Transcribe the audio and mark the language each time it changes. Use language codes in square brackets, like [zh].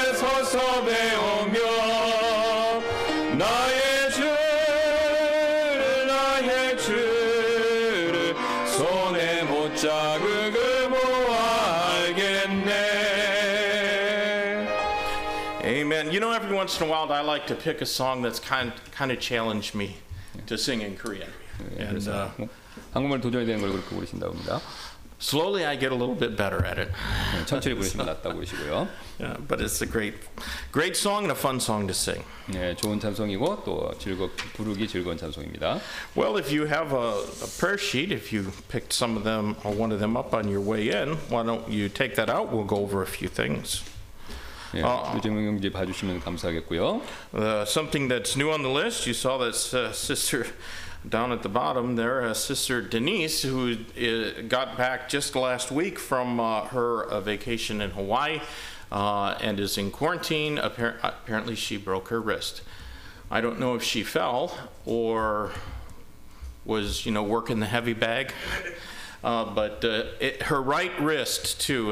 [ko] 서서 배우며 나의 주를 나의 주를 손에 못 잡으고 알겠네. [en] Amen. You know, every once in a while, I like to pick a song that's kind of challenged me to sing in Korean. [ko] And 한국말 도전이 되는 걸 그렇게 부르신다고 합니다. [en] Slowly I get a little bit better at it. [ko] 천천히 부르시면 낫다고 하시고요. [en] Yeah, but it's a great song and a fun song to sing. [ko] 네, 좋은 찬송이고 또 부르기 즐거운 찬송입니다. [en] Well, if you have a prayer sheet, if you picked some of them or one of them up on your way in, why don't you take that out? We'll go over a few things. [ko] 네, 유재명님 봐주시면 감사하겠고요. [en] Something that's new on the list, you saw that sister down at the bottom there, Sister Denise, who got back just last week from her vacation in Hawaii and is in quarantine. Apparently she broke her wrist. I don't know if she fell or was, you know, working the heavy bag, but her right wrist too.